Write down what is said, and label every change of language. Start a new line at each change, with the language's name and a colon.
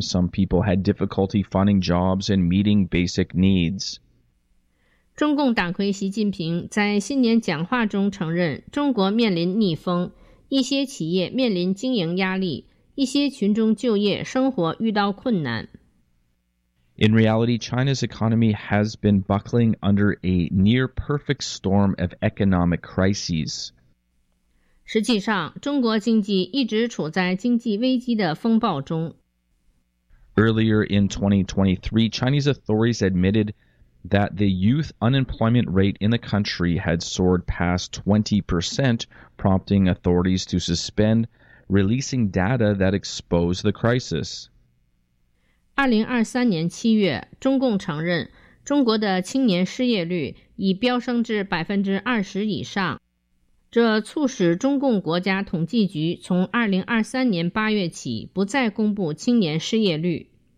English: Some people had difficulty finding jobs and meeting basic needs.
Chinese: 中共党魁习近平在新年讲话中承认中国面临逆风，一些企业面临经营压力，一些群众就业生活遇到困难。
English: In reality, China's economy has been buckling under a near-perfect storm of economic crises.
Chinese: 实际上，中国经济一直处在经济危机的风暴中。
English: Earlier in 2023, Chinese authorities admitted that the youth unemployment rate in the country had soared past 20%, prompting authorities to suspend releasing data that exposed the crisis.
Chinese: 2023年7月，中共承认中国的青年失业率已飙升至 20% 以上，这促使中共国家统计局从2023年8月起不再公布青年失业率。